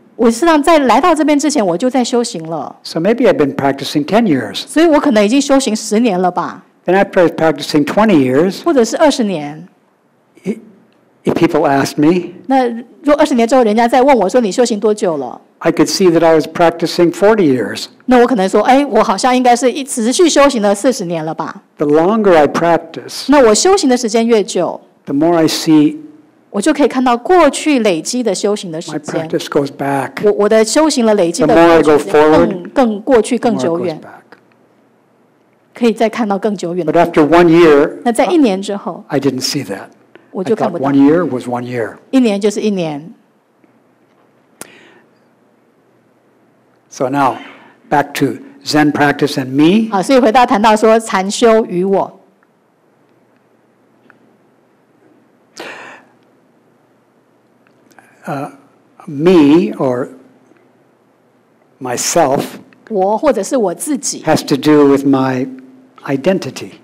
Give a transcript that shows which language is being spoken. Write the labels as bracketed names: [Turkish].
[Chinese] 我实际上在来到这边之前，我就在修行了。 [English] So maybe I've been practicing 10 years. [Chinese] 所以我可能已经修行十年了吧。 [English] Then after practicing 20 years. [Chinese] 或者是20年。 [English] If people asked me, [Chinese] 那若二十年之后，人家再问我说你修行多久了 [English] ？I could see that I was practicing 40 years. [Chinese] 那我可能说，哎，我好像应该是持续修行了40年了吧 [English] ？The longer I practice, [Chinese] 那我修行的时间越久 [English] ，the more I see, [Chinese] 我就可以看到过去累积的修行的时间。 [English] My practice goes back. [Chinese] 我的修行了累积的 [English] ，the more I go forward, [Chinese] 更过去更久远，可以再看到更久远。 [English] But after 1 year, [Chinese] 那在一年之后 [English] ，I didn't see that. [Chinese] 我就看不到。 [English] One year was 1 year. [Chinese] 一年就是一年。 [English] So now, back to Zen practice and me. [Chinese] 好，所以回到谈到说禅修与我。 [English] Me or myself. [Chinese] 我或者是我自己。 [English] Has to do with my identity.